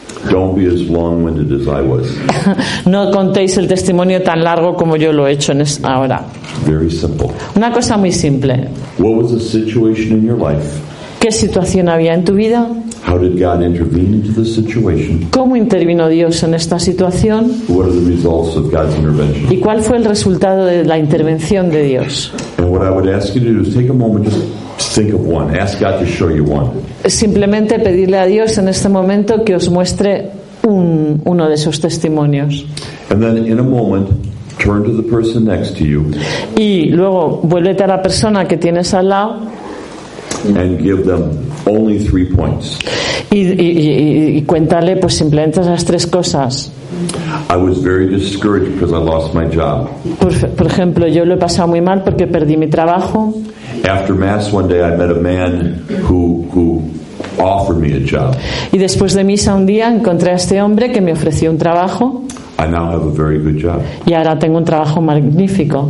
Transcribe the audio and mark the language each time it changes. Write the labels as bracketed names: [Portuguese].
[English] Don't be as long-winded as I was. [Spanish] No contéis el testimonio tan largo como yo lo he hecho ahora. [English] Very simple. [Spanish] Una cosa muy simple. [English] What was the situation in your life? [Spanish] ¿Qué situación había en tu vida? [English] How did God intervene into the situation? [Spanish] ¿Cómo intervino Dios en esta situación? [English] What are the results of God's intervention? [Spanish] ¿Y cuál fue el resultado de la intervención de Dios? [English] And what I would ask you to do is take a moment just think of one. Ask God to show you one. [Spanish] Simplemente pedirle a Dios en este momento que os muestre uno de esos testimonios. [English] And then in a moment, turn to the person next to you. [Spanish] Y luego vuélvete a la persona que tienes al lado. [English] And give them only 3 points. [Spanish] Y cuéntale pues simplemente esas tres cosas. [English] I was very discouraged because I lost my job. [Spanish] Por ejemplo, yo lo he pasado muy mal porque perdí mi trabajo. [English] After mass one day I met a man who offered me a job. [Spanish] Y después de misa un día encontré a este hombre que me ofreció un trabajo. [English] I now have a very good job. [Spanish] Y ahora tengo un trabajo magnífico.